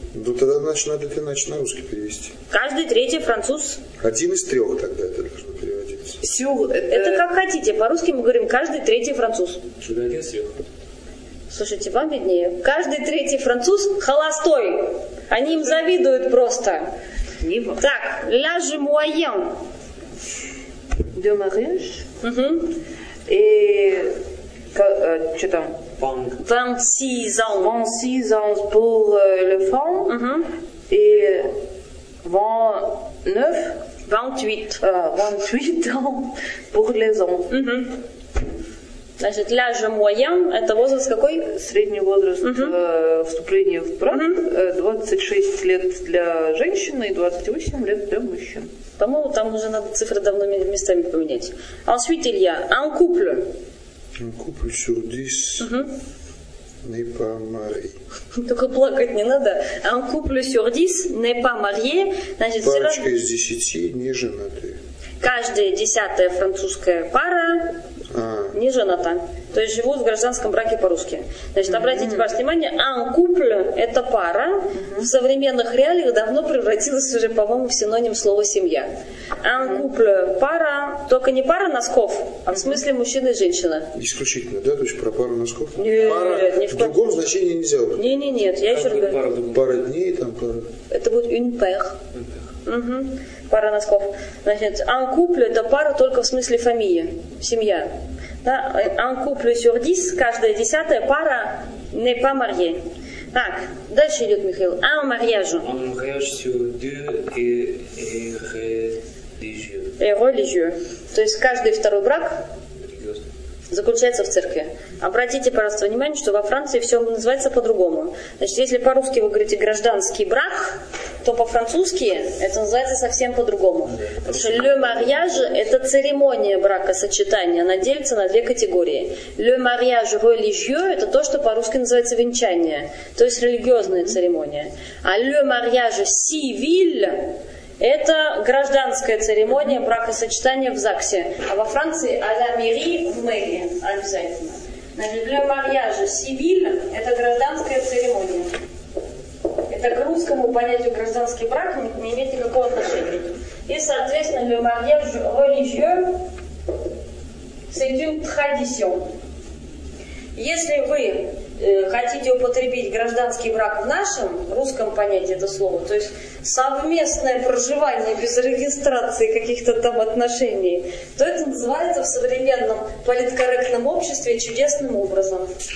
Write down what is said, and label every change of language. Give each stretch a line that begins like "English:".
Russian: Ну тогда значит надо это иначе на русский перевести. Каждый третий француз. Один из трех тогда это должно переводиться. Все, это как хотите. По-русски мы говорим каждый третий француз. Чудо один из трех. Слушайте, вам виднее. Каждый третий француз холостой. Они им завидуют просто. Либо.
French: Так, la je moyen. De mariage.
Russian: И что там?
French: 26 ans. 26 ans pour le femme. И 29. 28. 28 ans pour les hommes.
Russian: Значит,
French: la je moyen,
Russian: это возраст какой? Средний возраст вступления в брак. 26 лет для женщины и 28 лет для мужчин. По-моему, там уже надо цифры давно местами поменять.
French: Ensuite, il y a un couple. Un couple sur 10 n'est pas marié.
Russian: Только плакать не надо.
French: Un couple sur 10 n'est pas marié.
Russian: Значит, парочка из 10 не женаты. Каждая десятая французская пара не жената. То есть живут в гражданском браке по-русски. Значит, обратите ваше внимание, un couple – это пара. В современных реалиях давно превратилась уже, по-моему, в синоним слова «семья». Un couple – пара, только не пара носков, а в смысле мужчина и женщина. Исключительно, да? То есть про пару носков? Нет, пара не в другом значении нельзя. Нет, я еще раз говорю. Пара дней, там пара? Это будет une paire. Пара носков. Значит, un couple – это пара только в смысле фамилии, семья. Да?
French: Un couple sur 10,
Russian: каждая десятая пара
French: n'est pas mariée.
Russian: Так, дальше идет Михаил. Un mariage.
French: Un mariage sur deux est religieux. Et religieux.
Russian: То есть каждый второй брак заключается в церкви. Обратите, пожалуйста, внимание, что во Франции все называется по-другому. Значит, если по-русски вы говорите «гражданский брак», то по-французски это называется совсем по-другому. Потому что «le mariage» – это церемония бракосочетания. Она делится на две категории. «Le mariage religieux» – это то, что по-русски называется «венчание», то есть религиозная церемония. А «le mariage civil» – это гражданская церемония бракосочетания в ЗАГСе. А во Франции «à la mairie» – в мэрии обязательно. «Le mariage civil» – это гражданская церемония. Это к русскому понятию гражданский брак не имеет никакого отношения. И, соответственно,
French: le mariage religieux, c'est une tradition.
Russian: Если вы хотите употребить гражданский брак в нашем русском понятии этого слова, то есть совместное проживание без регистрации каких-то там отношений, то это называется в современном политкорректном обществе чудесным образом.